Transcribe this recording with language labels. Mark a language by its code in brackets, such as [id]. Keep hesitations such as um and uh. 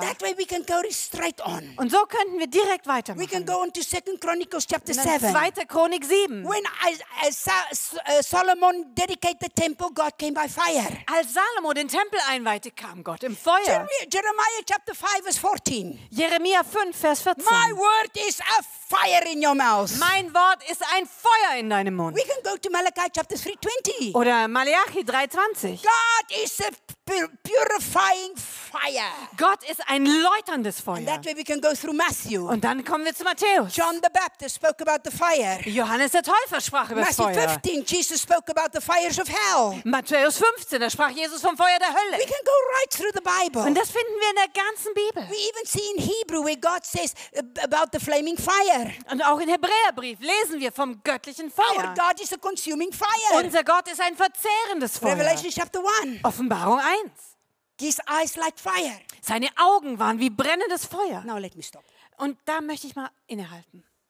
[en] And that way we can go straight on. [de] Und so könnten wir direkt weitermachen. [en] We can go into Chronicles chapter 7. [de] Zweite Chronik 7. [en] When I, I saw, Solomon dedicated the temple, God came by fire. [de] Als Salomo den Tempel einweihte, kam Gott im Feuer. [en] Jeremiah chapter 5 verse 14. [de] Jeremia 5 Vers 14. [en] My word is a [de] mein Wort ist ein Feuer in deinem Mund. [en] We can go to Malachi 320. [de] Oder Malachi 3:20. [en] God is a purifying fire. [de] Gott ist ein läuterndes Feuer. [en] And that way we can go through Matthew. [de] Und dann kommen wir zu Matthäus. [en] John the Baptist spoke about the fire. [de] Johannes der Täufer sprach über Matthew das Feuer. [en] Matthew 15 Jesus spoke about the fires of hell. [de] Matthäus 15 da sprach Jesus vom Feuer der Hölle. [en] We can go right through the Bible. [de] Und das finden wir in der ganzen Bibel. [en] We even see in Hebrew where God says about the flaming fire. [de] Und auch in Hebräerbrief lesen wir vom göttlichen Feuer. Unser Gott ist ein verzehrendes Feuer. Offenbarung 1. Seine Augen waren wie brennendes Feuer. Und da möchte ich mal innehalten.